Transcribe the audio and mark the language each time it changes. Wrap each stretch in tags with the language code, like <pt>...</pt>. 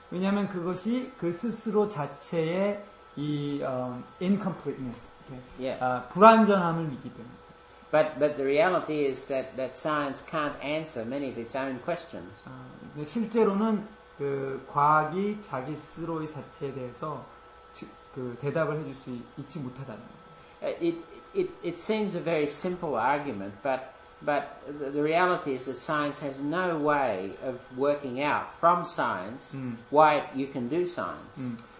<ko>왜냐하면 그것이 그 스스로 자체의 이</ko> <en>incompleteness, okay? Yeah.</en> <ko>불완전함을 믿기 때문에.</ko> <en>But the reality is that science can't answer many of its own questions.</en> <ko>실제로는 그 과학이 자기 스스로의 자체에 대해서 그 대답을 해줄 수 있지 못하다는 거예요.</ko> <en>It seems a very simple argument, but the reality is that science has no way of working out from science why you can do science.</en>